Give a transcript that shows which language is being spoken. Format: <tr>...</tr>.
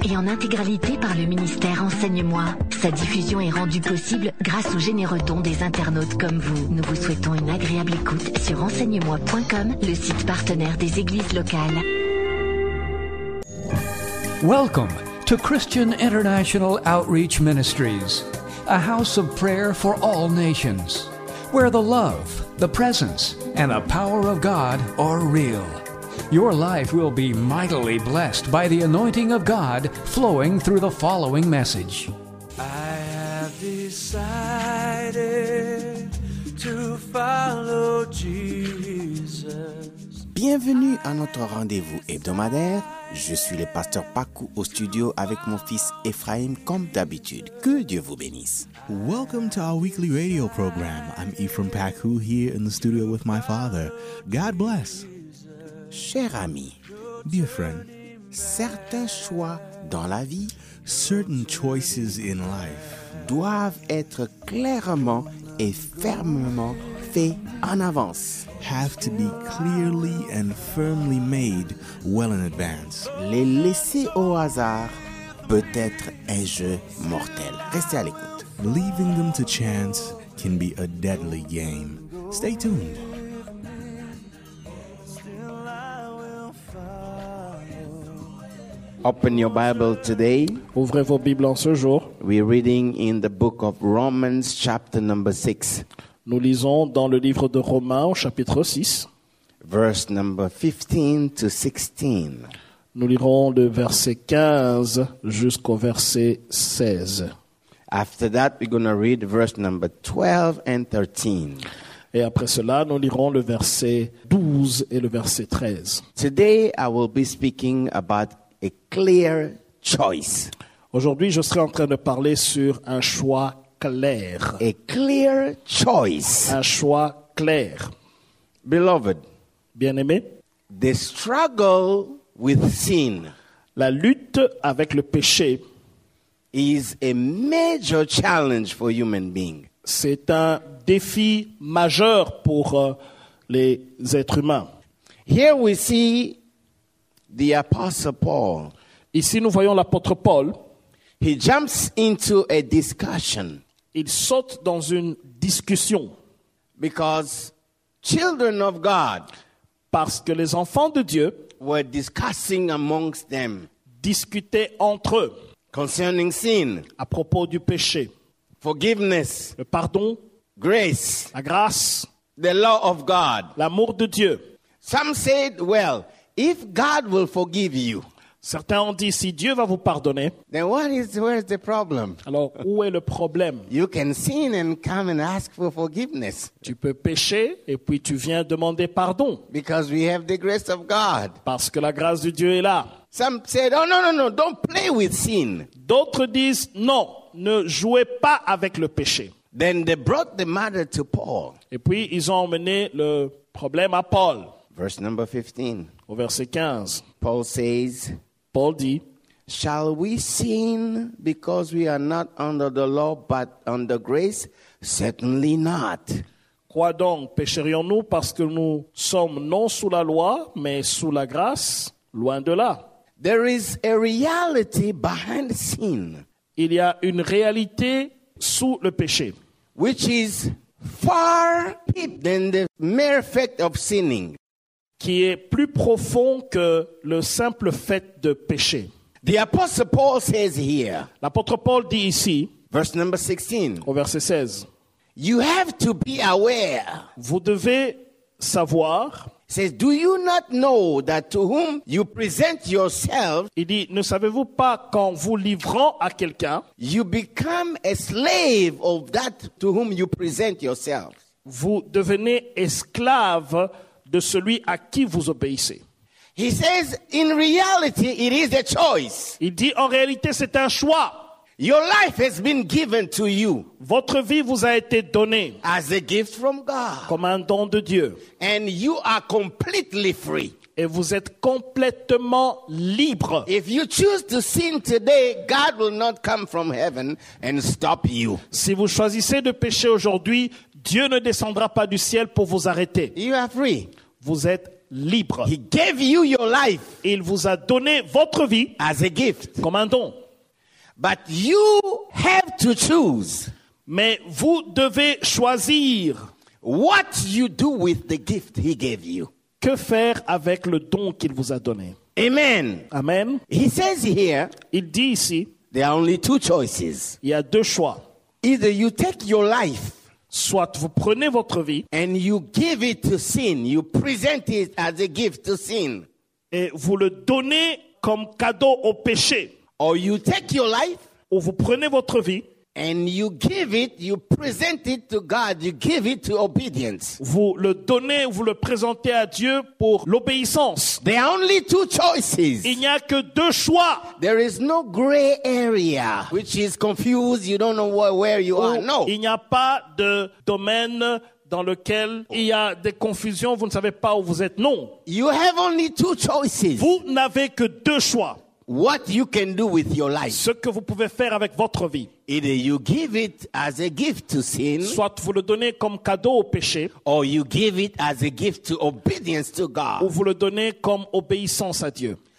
<fr>Et en intégralité par le ministère Enseigne-moi. Sa diffusion est rendue possible grâce aux généreux dons des internautes comme vous. Nous vous souhaitons une agréable écoute sur enseignemoi.com, le site partenaire des églises locales.</fr> <en>Welcome to Christian International Outreach Ministries, a house of prayer for all nations, where the love, the presence, and the power of God are real. Your life will be mightily blessed by the anointing of God flowing through the following message. I have decided to follow Jesus.</en> <fr>Bienvenue à notre rendez-vous hebdomadaire. Je suis le pasteur Paku au studio avec mon fils Ephraim comme d'habitude. Que Dieu vous bénisse.</fr> <en>Welcome to our weekly radio program. I'm Ephraim Paku here in the studio with my father. God bless.</en> <fr>Cher ami,</fr> <en>dear friend,</en> <fr>certains choix dans la vie,</fr> <en>certain choices in life,</en> <fr>doivent être clairement et fermement faits en avance.</fr> <en>Have to be clearly and firmly made well in advance.</en> <fr>Les laisser au hasard peut être un jeu mortel. Restez à l'écoute.</fr> <en>Leaving them to chance can be a deadly game. Stay tuned. Open your Bible today.</en> <fr>Ouvrez vos Bibles en ce jour.</fr> <en>We're reading in the book of Romans, chapter number 6.</en> <fr>Nous lisons dans le livre de Romains, au chapitre 6.</fr> <en>Verse number 15 to 16.</en> <fr>Nous lirons le verset 15 jusqu'au verset 16.</fr> <en>After that, we're going to read verse number 12 and 13.</en> <fr>Et après cela, nous lirons le verset 12 et le verset 13.</fr> <en>Today, I will be speaking about a clear choice.</en> <fr>Aujourd'hui, je serai en train de parler sur un choix clair.</fr> <en>A clear choice.</en> <fr>Un choix clair.</fr> <en>Beloved,</en> <fr>bien-aimé,</fr> <en>the struggle with sin,</en> <fr>la lutte avec le péché,</fr> <en>is a major challenge for human beings.</en> <fr>C'est un défi majeur pour les êtres humains.</fr> <en>Here we see the Apostle Paul.</en> <fr>Ici, nous voyons l'apôtre Paul.</fr> <en>He jumps into a discussion.</en> <fr>Il saute dans une discussion.</fr> <en>Because children of God,</en> <fr>parce que les enfants de Dieu,</fr> <en>were discussing amongst them,</en> <fr>discutaient entre eux,</fr> <en>concerning sin,</en> <fr>à propos du péché,</fr> <en>forgiveness,</en> <fr>le pardon,</fr> <en>grace,</en> <fr>la grâce,</fr> <en>the law of God,</en> <fr>l'amour de Dieu.</fr> <en>Some said, well, if God will forgive you,</en> <fr>certains ont dit, si Dieu va vous pardonner,</fr> <en>then what is, where is the problem?</en> <fr>Alors où est le problème?</fr> <en>You can sin and come and ask for forgiveness.</en> <fr>Tu peux pécher et puis tu viens demander pardon.</fr> <en>Because we have the grace of God.</en> <fr>Parce que la grâce de Dieu est là.</fr> <en>Some said, oh no, don't play with sin.</en> <fr>D'autres disent, non, ne jouez pas avec le péché.</fr> <en>Then they brought the matter to Paul.</en> <fr>Et puis ils ont emmené le problème à Paul.</fr> <en>Verse number 15.</en> <fr>Au verset 15.</fr> <en>Paul says,</en> <fr>Paul dit,</fr> <en>shall we sin because we are not under the law but under grace? Certainly not.</en> <fr>Quoi donc, pécherions-nous parce que nous sommes non sous la loi mais sous la grâce? Loin de là.</fr> <en>There is a reality behind sin.</en> <fr>Il y a une réalité sous le péché.</fr> <en>Which is far deeper than the mere fact of sinning.</en> <fr>Qui est plus profond que le simple fait de pécher.</fr> <en>The Apostle Paul says here,</en> <fr>l'apôtre Paul dit ici,</fr> <en>verse number 16,</en> <fr>au verset 16,</fr> <en>you have to be aware,</en> <fr>vous devez savoir,</fr> <en>says, do you not know that to whom you present yourself,</en> <fr>il dit, ne savez-vous pas qu'en vous livrant à quelqu'un,</fr> <en>you become a slave of that to whom you present yourself.</en> <fr>Vous devenez esclave de celui à qui vous obéissez.</fr> <en>He says, in reality, it is a choice.</en> <fr>Il dit, en réalité, c'est un choix.</fr> <en>Your life has been given to you.</en> <fr>Votre vie vous a été donnée.</fr> <en>As a gift from God.</en> <fr>Comme un don de Dieu.</fr> <en>And you are completely free.</en> <fr>Et vous êtes complètement libre.</fr> <en>If you choose to sin today, God will not come from heaven and stop you.</en> <fr>Si vous choisissez de pécher aujourd'hui, Dieu ne descendra pas du ciel pour vous arrêter.</fr> <en>You are free.</en> <fr>Vous êtes libre.</fr> <en>He gave you your life.</en> <fr>Il vous a donné votre vie</fr> <en>as a gift.</en> <fr>Comme un don.</fr> <en>But you have to choose.</en> <fr>Mais vous devez choisir</fr> <en>what you do with the gift he gave you.</en> <fr>Que faire avec le don qu'il vous a donné?</fr> <en>Amen.</en> <fr>Amen.</fr> <en>He says here,</en> <fr>il dit ici,</fr> <en>there are only two choices.</en> <fr>Il y a deux choix.</fr> <en>Either you take your life,</en> <fr>soit vous prenez votre vie,</fr> <en>and you give it to sin, you present it as a gift to sin,</en> <fr>et vous le donnez comme cadeau au péché,</fr> <en>or you take your life,</en> <fr>ou vous prenez votre vie,</fr> <en>and you give it, you present it to God, you give it to obedience.</en> <fr>Vous le donnez, vous le présentez à Dieu pour l'obéissance.</fr> <en>There are only two choices.</en> <fr>Il n'y a que deux choix.</fr> <en>There is no gray area, which is confused, you don't know where you are. No.</en> <fr>Il n'y a pas de domaine dans lequel il y a des confusions, vous ne savez pas où vous êtes. Non.</fr> <en>You have only two choices.</en> <fr>Vous n'avez que deux choix.</fr> <en>What you can do with your life.</en> <fr>Ce que vous pouvez faire avec votre vie.</fr> <en>Either you give it as a gift to sin.</en> <fr>Soit vous le donnez comme cadeau au péché.</fr> <en>Or you give it as a gift to obedience to God.</en> <fr>Ou vous le donnez comme obéissance à Dieu.</fr>